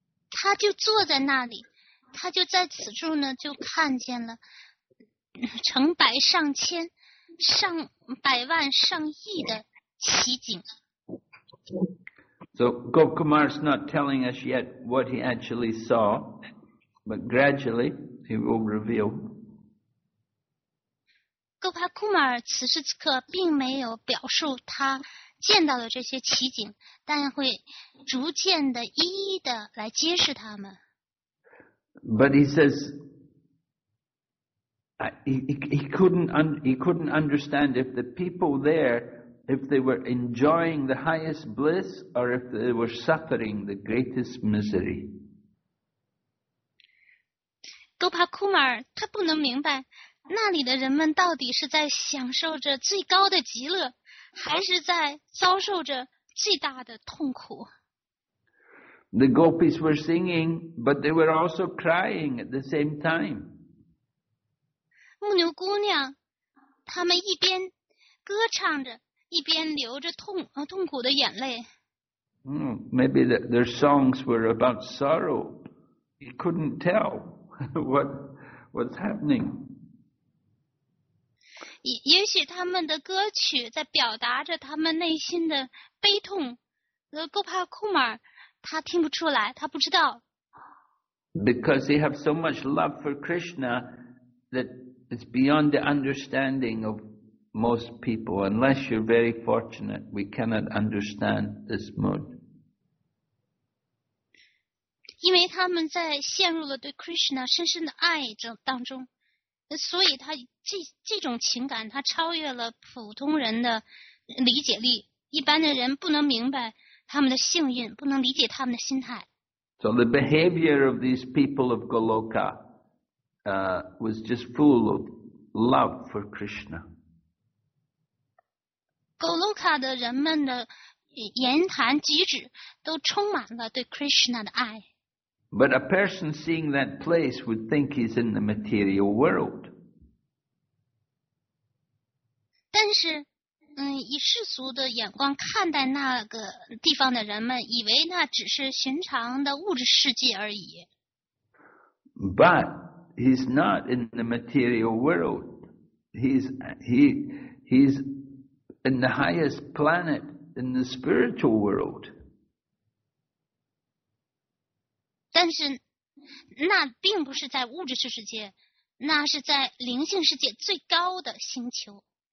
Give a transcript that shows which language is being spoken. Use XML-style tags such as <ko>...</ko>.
<zh>他就坐在那里，他就在此处呢，就看见了成百上千、上百万、上亿的奇景。</zh> <en>So Gop Kumar is not telling us yet what he actually saw, but gradually he will reveal.</en> <zh>Gopal Kumar 此时此刻并没有表述他见到的这些奇景，但会逐渐的一一的来揭示他们。</zh> <en>But he says, he couldn't understand if the people there, if they were enjoying the highest bliss or if they were suffering the greatest misery.</en> <zh>Gopal Kumar, 他不能明白那里的人们到底是在享受着最高的极乐，还是在遭受着巨大的痛苦。</zh> <en>The gopis were singing, but they were also crying at the same time.</en> <zh>牧牛姑娘，她们一边歌唱着，一边流着痛苦的眼泪。</zh> <en>Maybe their songs were about sorrow. You couldn't tell what's happening.</en> <zh>也许他们的歌曲在表达着他们内心的悲痛，Gopal Kumar 他听不出来，他不知道。</zh> <en>Because they have so much love for Krishna that it's beyond the understanding of most people. Unless you're very fortunate, we cannot understand this mood.</en> <zh>因为他们在陷入了对 Krishna 深深的爱当中。所以他这种情感他超越了普通人的理解力，一般的人不能明白他们的幸运，不能理解他们的心态。</zh> <en>So the behavior of these people of Goloka was just full of love for Krishna.</en> <zh>Goloka 的人们的言谈举止都充满了对 Krishna 的爱。</zh> <en>But a person seeing that place would think he's in the material world.</en> <zh>但是以世俗的眼光看待那个地方的人们以为那只是寻常的物质世界而已。</zh> <en>But he's not in the material world. He's in the highest planet in the spiritual world.</en> <zh>但是那并不是在物质世界，那是在灵性世界最高的星球。</zh>